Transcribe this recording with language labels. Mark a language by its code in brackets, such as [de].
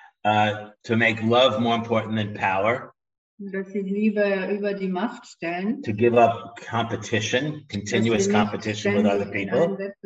[en] To make love more important than power. [de] Dass sie Liebe über die Macht stellen. [en] To give up competition, continuous competition with other people.